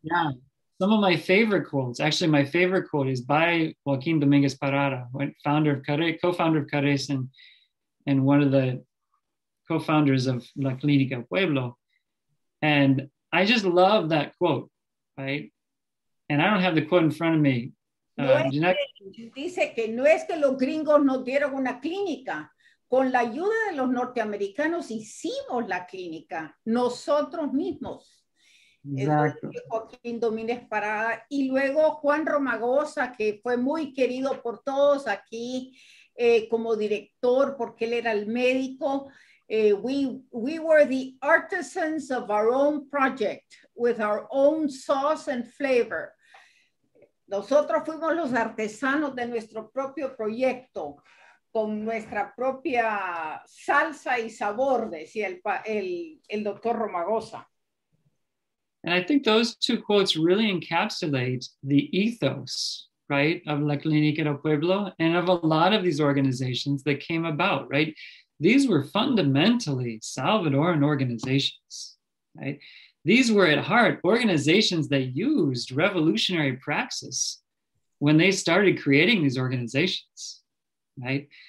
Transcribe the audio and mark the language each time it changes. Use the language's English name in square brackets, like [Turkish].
[English] Yeah. Some of my favorite quotes, actually my favorite quote is by Joaquin Dominguez Parada, co-founder of CARESEN and one of the co-founders of La Clínica Pueblo. And I just love that quote, right? And I don't have the quote in front of me. [Spanish] Dice que no es que los gringos nos dieron una clínica. Con la ayuda de los norteamericanos hicimos la clínica nosotros mismos. [English] Exactly. [Spanish] Joaquín Domínguez Parada, y luego Juan Romagosa, que fue muy querido por todos aquí como director, porque él era el médico. [English] We were the artisans of our own project with our own sauce and flavor. [Spanish] Nosotros fuimos los artesanos de nuestro propio proyecto con nuestra propia salsa y sabor, decía el doctor Romagosa. [English] And I think those two quotes really encapsulate the ethos, right, of La Clínica del Pueblo and of a lot of these organizations that came about, right? These were fundamentally Salvadoran organizations, right? These were at heart organizations that used revolutionary praxis when they started creating these organizations, right?